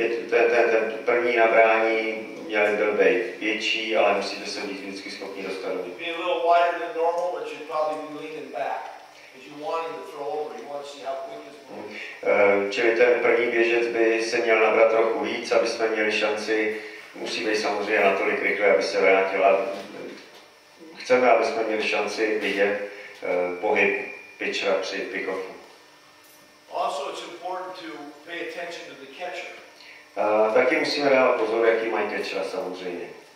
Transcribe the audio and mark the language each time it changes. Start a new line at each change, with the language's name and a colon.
Czech: Ten první nabrání měl byl být větší, ale musíte se být vždycky schopni dostat do něj.
English: Be a little wider than normal, but you'd probably be leaning back. If you wanted to throw over, you want to see how quick it's going.
Czech: Čili ten první běžec by se měl nabrat trochu víc, aby jsme měli šanci. Musí být samozřejmě natolik rychle, aby se vrátil. Chceme, aby jsme měli šanci vidět pohyb pitchera při pick-offu.
English: Also it's important to pay attention to the catcher.
Czech: Taky musíme dávat pozor, jaký mají catchera samozřejmě.